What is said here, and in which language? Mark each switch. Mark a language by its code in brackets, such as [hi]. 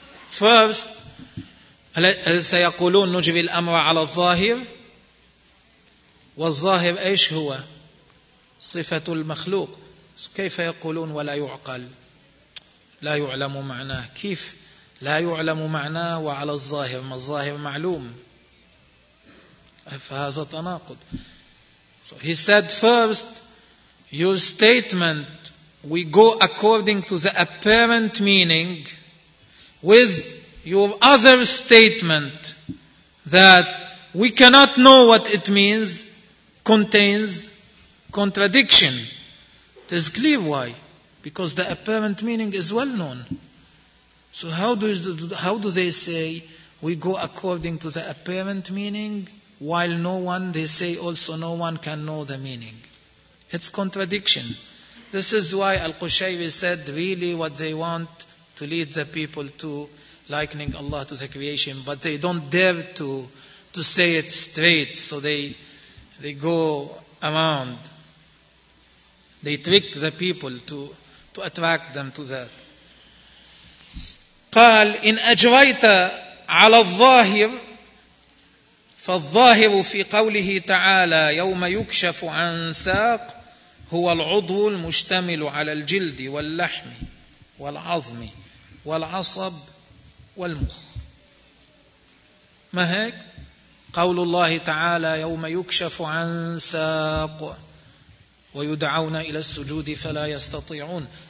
[en] First, [ar] سيقولون نُجْرِي الْأَمْرَ عَلَى الظَّاهِرِ, والظاهر أيش هو؟ صفة المخلوق. كيف يقولون وَلَا يُعْقَلْ, لا يُعْلَمُ مَعْنَاهُ؟ كيف لا يعلم معناه وعلى الظاهر, ما الظاهر معلوم, فهذا تناقض. [en] So he said, first, your statement, we go according to the apparent meaning, with your other statement that we cannot know what it means, contains contradiction. It is clear why, because the apparent meaning is well known. So how do they say we go according to the apparent meaning while no one, they say also no one can know the meaning? It's contradiction. This is why Al-Qushayri said really what they want to lead the people to likening Allah to the creation, but they don't dare to say it straight. So they go around. They trick the people to attract them to that. [ar] قال إن أجريت على الظاهر فالظاهر في قوله تعالى يوم يكشف عن ساق هو العضو المشتمل على الجلد واللحم والعظم والعصب والمخ, ما هيك؟ قول الله تعالى يوم يكشف عن ساق ويدعون إلى السجود فلا يستطيعون.